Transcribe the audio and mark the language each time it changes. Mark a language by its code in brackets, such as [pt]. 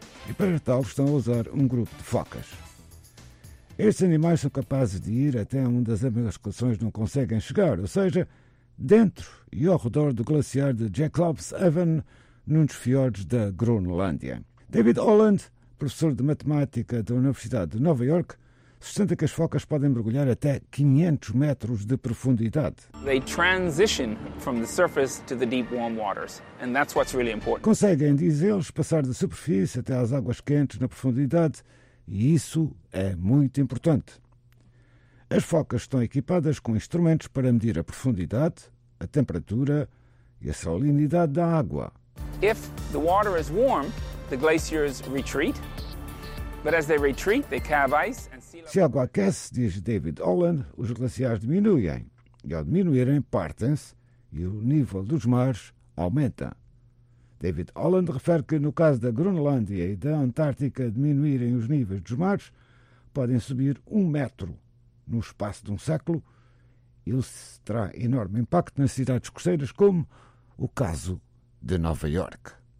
[pt] E para tal estão a usar um grupo de focas. Estes animais são capazes de ir até onde as embarcações não conseguem chegar, ou seja, dentro e ao redor do glaciar de Jacobshaven, num dos fiordes da Groenlândia. David Holland, professor de matemática da Universidade de Nova York, sustenta que as focas podem mergulhar até 500 metros de profundidade. [en] They transition from the surface to the deep warm waters, and that's what's really important. [pt] Conseguem, diz eles, passar da superfície até às águas quentes na profundidade, e isso é muito importante. As focas estão equipadas com instrumentos para medir a profundidade, a temperatura e a salinidade da água. [en] If the water is warm, the glaciers retreat. But as they retreat, they calve ice and sea level. [pt] Se a água aquece, diz David Holland, os glaciares diminuem. E ao diminuírem, partem-se e o nível dos mares aumenta. David Holland refere que no caso da Groenlândia e da Antártica diminuírem os níveis dos mares, podem subir um metro no espaço de um século, isso terá enorme impacto nas cidades costeiras, como o caso de Nova York.